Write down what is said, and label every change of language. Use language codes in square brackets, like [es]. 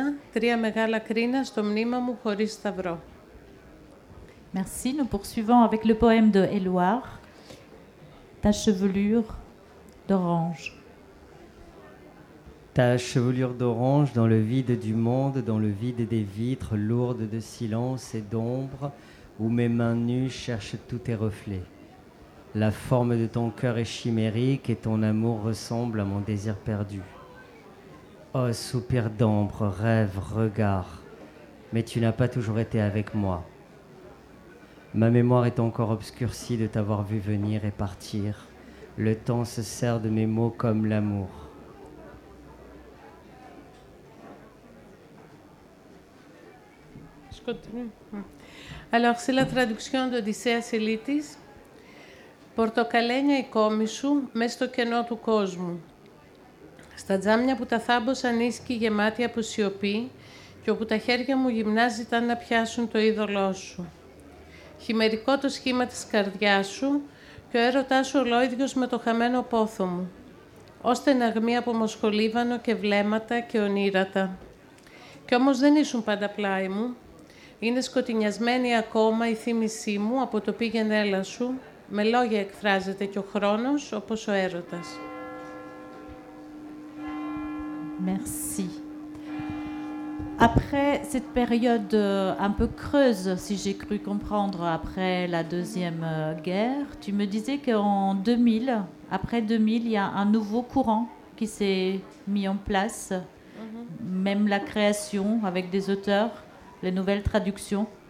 [el] Τρία μεγάλα κρίνα στο μνήμα μου χωρίς σταυρό. [fr] Merci. Nous poursuivons avec le poème de Éluard, Ta chevelure d'orange. Ta chevelure d'orange dans le vide du monde, dans le vide des vitres lourdes de silence et d'ombre, où mes mains nues cherchent tous tes reflets. La forme de ton cœur est chimérique et ton amour ressemble à mon désir perdu. Oh, soupir d'ombre, rêve, regard, mais tu n'as pas toujours été avec moi. Ma mémoire est encore obscurcie de t'avoir vu venir et partir. Le temps se sert de mes mots comme l'amour. Je continue. Alors, c'est la traduction d'Odyssée Sélitis. [el] Πορτοκαλένια η κόμη σου μες στο κενό του κόσμου. Στα τζάμια που τα θάμπωσαν ίσκι γεμάτη από σιωπή και όπου τα χέρια μου γυμνά ζητάν να πιάσουν το είδωλό σου. Χειμερικό το σχήμα της καρδιάς σου και ο έρωτάς σου ολόιδιος με το χαμένο πόθο μου, ώστε να γμεί από μοσχολίβανο και βλέμματα και ονείρατα. Κι όμως δεν ήσουν πάντα πλάι μου. Είναι σκοτεινιασμένη ακόμα η θύμησή μου από το πήγαινε έλα σου. Με λόγια εκφράζεται και ο χρόνος όπως ο έρωτας. [fr] Merci. Après cette période un peu creuse, si j'ai cru comprendre, après la Deuxième Guerre, tu me disais qu'en 2000, après 2000, il y a un nouveau courant qui s'est mis en place, même la création avec des auteurs, les nouvelles traductions.